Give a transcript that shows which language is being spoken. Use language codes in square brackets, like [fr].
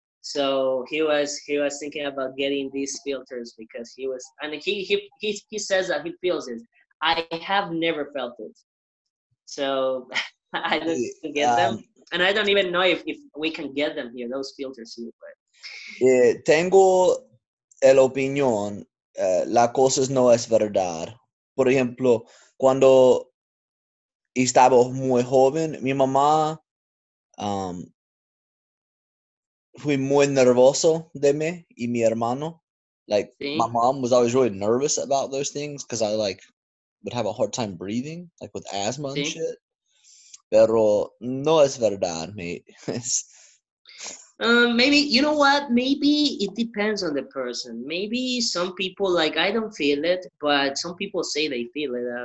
[en] So he was thinking about getting these filters because he was, and he says that he feels it. I have never felt it. So I don't get them. And I don't even know if we can get them here, those filters here. But. [es] Tengo el opinión, la cosa no es verdad. Por ejemplo, cuando estaba muy joven, mi mamá fue muy nervioso de mí y mi hermano. [en] Like, sí. My mom was always really nervous about those things because I, like, would have a hard time breathing, like, with asthma and sí. [es] Shit. Pero no es verdad, mate. [en] Maybe, you know what, maybe it depends on the person. Maybe some people, like, I don't feel it, but some people say they feel it.